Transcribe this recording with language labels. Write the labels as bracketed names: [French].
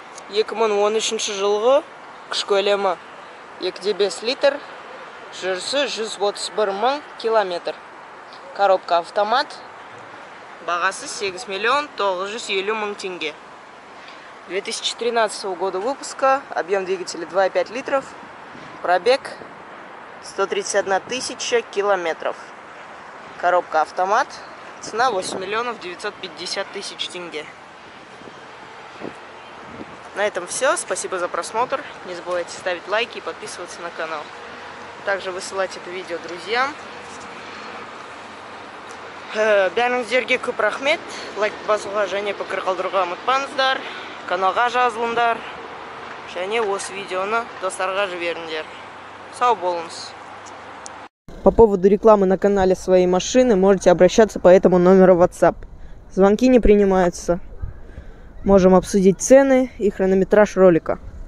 [Kazakh] Екман 13 жылғы күш көлемі 2,5 литр, жүрісі 131 мың километр. Коробка автомат, бағасы 8 950 000 теңге. [Russian] 2013 года выпуска, объем двигателя 2,5 литров, пробег 131 тысяча километров. Коробка автомат, цена 8 950 000 тенге. На этом все. Спасибо за просмотр. Не забывайте ставить лайки и подписываться на канал. Также высылать это видео друзьям. [Kazakh] Бәріңіздерге көп рахмет. Лайк басуға және пікір қалдыруға ұмытпаңыздар. Каналға жазылыңдар. Және осы видеоны достарға жіберіңдер. Сау болыңыз. [Russian] По поводу рекламы на канале своей машины можете обращаться по этому номеру WhatsApp. Звонки не принимаются. Можем обсудить цены и хронометраж ролика.